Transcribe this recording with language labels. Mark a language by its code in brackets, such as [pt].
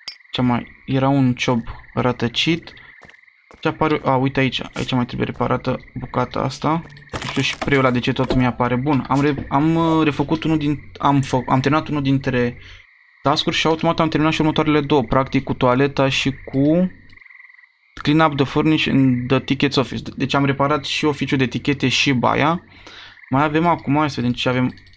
[ro] Ce mai? Era un ciob rătăcit. Ce apare? A, uite aici. Aici mai trebuie reparată bucata asta. Nu știu și preiul ăla de ce tot mi-apare. Bun, am refăcut unul din... am terminat unul dintre task-uri și automat am terminat și următoarele două. Practic cu toaleta și cu... [en] Clean up the furnish in the tickets office. [ro] Deci am reparat și oficiul de tichete și baia. Mai avem acum, hai să vedem ce avem.